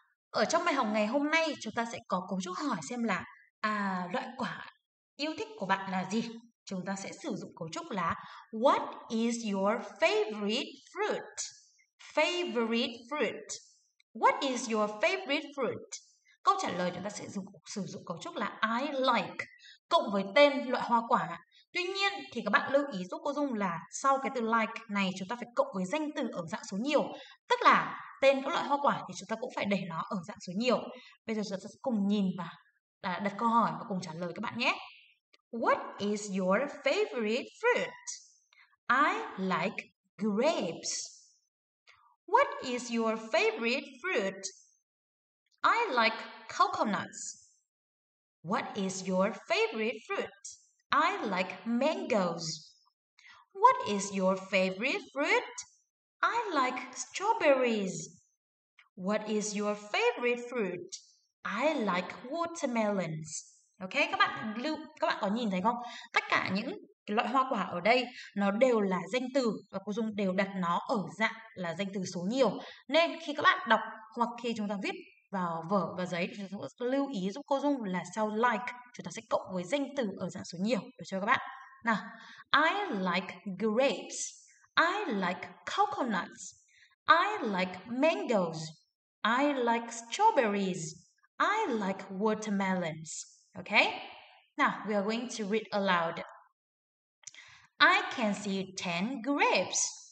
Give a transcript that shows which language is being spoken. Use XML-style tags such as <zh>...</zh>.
<vi>Ở trong bài học ngày hôm nay, chúng ta sẽ có cấu trúc hỏi xem là loại quả yêu thích của bạn là gì? Chúng ta sẽ sử dụng cấu trúc là</vi> <en>What is your favorite fruit? Favorite fruit. What is your favorite fruit?</en> <vi>Câu trả lời chúng ta sẽ sử dụng cấu trúc là I like cộng với tên loại hoa quả. Tuy nhiên thì các bạn lưu ý giúp cô Dung là sau cái từ like này chúng ta phải cộng với danh từ ở dạng số nhiều. Tức là tên các loại hoa quả thì chúng ta cũng phải để nó ở dạng số nhiều. Bây giờ chúng ta sẽ cùng nhìn và đặt câu hỏi và cùng trả lời các bạn nhé.</vi> <en>What is your favorite fruit? I like grapes. What is your favorite fruit? I like coconuts. What is your favorite fruit? I like mangoes. What is your favorite fruit? I like strawberries. What is your favorite fruit? I like watermelons.</en> <vi>Okay, các bạn có nhìn thấy không? Tất cả những loại hoa quả ở đây nó đều là danh từ và cô Dung đều đặt nó ở dạng là danh từ số nhiều. Nên khi các bạn đọc hoặc khi chúng ta viết vào vở và giấy thì chúng ta lưu ý giúp cô Dung là sau like chúng ta sẽ cộng với danh từ ở dạng số nhiều, được chưa các bạn?</vi> <en>Nào, I like grapes, I like coconuts, I like mangoes, I like strawberries, I like watermelons. Okay? Now we are going to read aloud. I can see 10 grapes.</en>